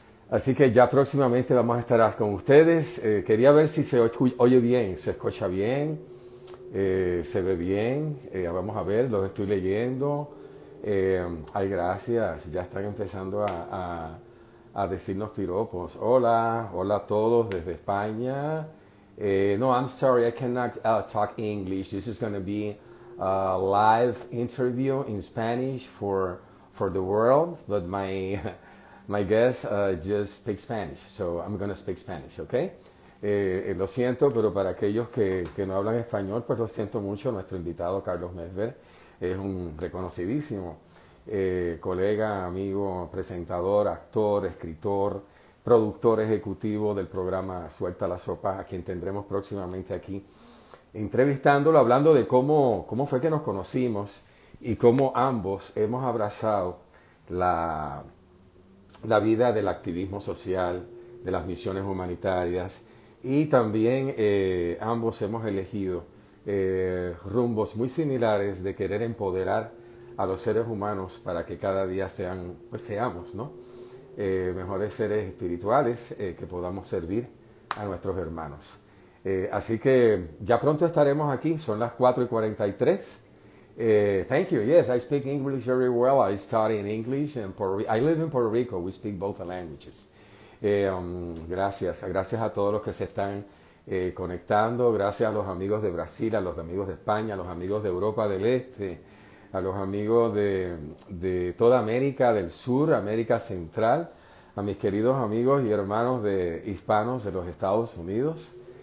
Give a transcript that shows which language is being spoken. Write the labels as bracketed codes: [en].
[es] Así que ya próximamente vamos a estar con ustedes. Quería ver si se oye bien, se escucha bien, se ve bien. Vamos a ver, los estoy leyendo. Ay, gracias, ya están empezando a decirnos piropos. Hola, hola a todos desde España. [en] No, I'm sorry, I cannot talk English. This is going to be a live interview in Spanish for the world, but my guest just speaks Spanish, so I'm going to speak Spanish, okay? [es] Lo siento, pero para aquellos que no hablan español, pues lo siento mucho. Nuestro invitado, Carlos Mesver, es un reconocidísimo colega, amigo, presentador, actor, escritor, productor ejecutivo del programa Suelta la Sopa, a quien tendremos próximamente aquí entrevistándolo, hablando de cómo fue que nos conocimos y cómo ambos hemos abrazado la vida del activismo social, de las misiones humanitarias y también ambos hemos elegido rumbos muy similares de querer empoderar a los seres humanos para que cada día sean, pues seamos, ¿no? Mejores seres espirituales que podamos servir a nuestros hermanos. Así que ya pronto estaremos aquí, son las 4 y 43. [en] Thank you, yes, I speak English very well. I study in English and I live in Puerto Rico, we speak both the languages. [es] Gracias, gracias a todos los que se están conectando, gracias a los amigos de Brasil, a los amigos de España, a los amigos de Europa del Este, a los amigos de toda América del Sur, América Central, a mis queridos amigos y hermanos de hispanos de los Estados Unidos.